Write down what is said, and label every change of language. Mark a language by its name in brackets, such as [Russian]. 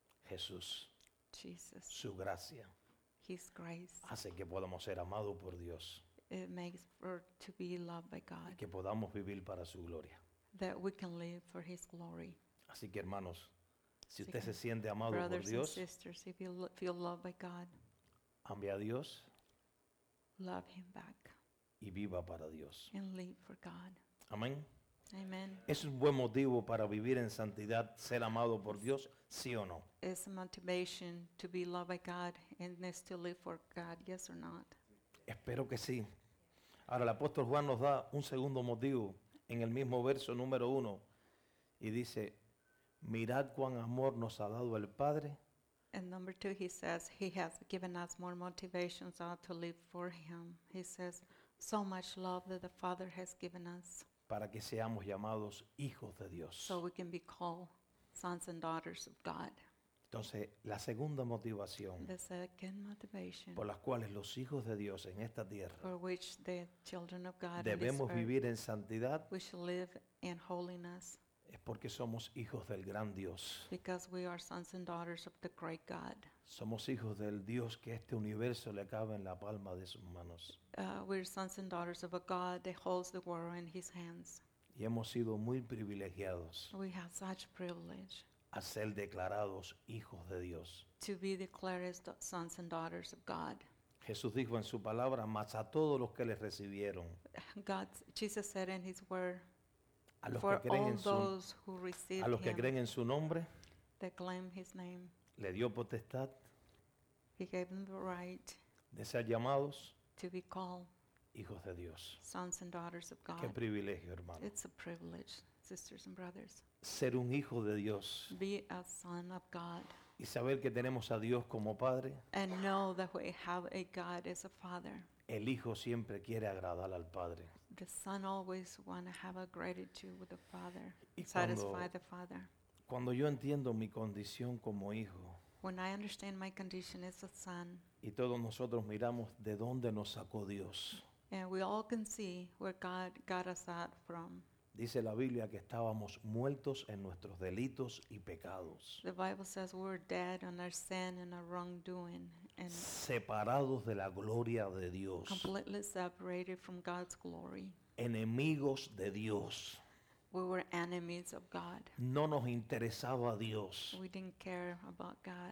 [Spanish] Jesús. [English] Jesus. [Spanish] Su gracia. [English] His grace. [Spanish] Hace que podamos ser amados por Dios. [English] It makes for to be loved by God. [Spanish] Y que podamos vivir para su gloria. [English] That we can live for his glory. [Spanish] Así que hermanos, si usted se siente amado por Dios. [English] Brothers and sisters, if you feel loved by God. [Spanish] Ame a Dios. [English] Love him back. [Spanish] Y viva para Dios. [English] And live for God. [Spanish] Amén. [English] Amen. [Spanish] Es un buen motivo para vivir en santidad, ser amado por Dios, sí o no. [English] It's a motivation to be loved by God and is to live for God, yes or not. [Spanish] Espero que sí. Ahora el apóstol Juan nos da un segundo motivo en el mismo verso número 1 y dice, mirad cuán amor nos ha dado el Padre. [English] And number 2 he says, he has given us more motivations to live for him. He says, so much love that the Father has given us. [Spanish] Para que seamos llamados hijos de Dios. [English] So we can be called sons and daughters of God. [Spanish] Entonces, la segunda motivación. [English] The second motivation. [Spanish] Por las cuales los hijos de Dios en esta tierra. [English] For which the children of God. [Spanish] Debemos vivir en santidad. [English] We should live in holiness. [Spanish] Es porque somos hijos del gran Dios. [English] Because we are sons and daughters of the great God. [Spanish] Somos hijos del Dios que este universo le cabe en la palma de sus manos. [English] We're sons and daughters of a God that holds the world in his hands. [Spanish] Y hemos sido muy privilegiados. [English] We have such privilege. [Spanish] A ser declarados hijos de Dios. [English] To be declared sons and daughters of God. [Spanish] Jesús dijo en su palabra, mas a todos los que les recibieron. [English] Jesus said in his word, [Spanish] a los que creen en su, a los que creen en su nombre, [English] that claim his name, [Spanish] le dio potestad, [English] he gave them the right, [Spanish] de ser llamados, [English] to be called, [Spanish] hijos de Dios, [English] sons and daughters of God. [Spanish] Qué privilegio, hermano. [English] It's a privilege, sisters and brothers. [Spanish] Ser un hijo de Dios, [English] be a son of God, [Spanish] y saber que tenemos a Dios como padre, [English] and know that we have a God as a father. [Spanish] El hijo siempre quiere agradar al padre. [English] The son always want to have a gratitude with the father, satisfy the father. [Spanish] Cuando yo entiendo mi condición como hijo, [English] when I understand my condition as a son, [Spanish] y todos nosotros miramos de dónde nos sacó Dios, [English] and we all can see where God got us out from. [Spanish] Dice la Biblia que estábamos muertos en nuestros delitos y pecados. [English] The Bible says we're dead on our sin and our wrongdoing. And [Spanish] separados de la gloria de Dios. [English] Completely separated from God's glory. [Spanish] Enemigos de Dios. [English] We were enemies of God. [Spanish] No nos interesaba Dios. [English] We didn't care about God.